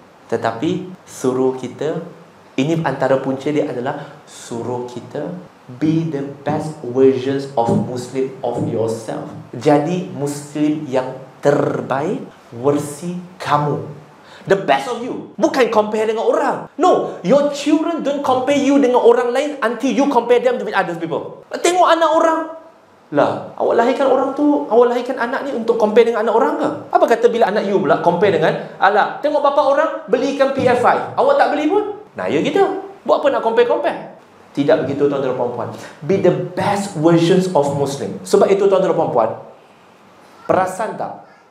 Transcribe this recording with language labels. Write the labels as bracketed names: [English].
[Malay] Tetapi suruh kita, ini antara punca dia adalah suruh kita [English] be the best versions of Muslim of yourself. [Malay] Jadi Muslim yang terbaik versi kamu. [English] The best of you. [Malay] Bukan compare dengan orang. [English] No, your children don't compare you [Malay] dengan orang lain [English] until you compare them with other people. [Malay] Tengok anak orang. Lah, awak lahirkan orang tu, awak lahirkan anak ni untuk compare dengan anak orang ke? Apa kata bila anak you pula compare dengan, alah, tengok bapa orang belikan PS5. Awak tak beli pun? Nah, ya kita. Buat apa nak compare-compare? Tidak begitu tuan-tuan dan puan-puan. [English] Be the best versions of Muslim. [Malay] Sebab itu tuan-tuan dan puan-puan, perasan tak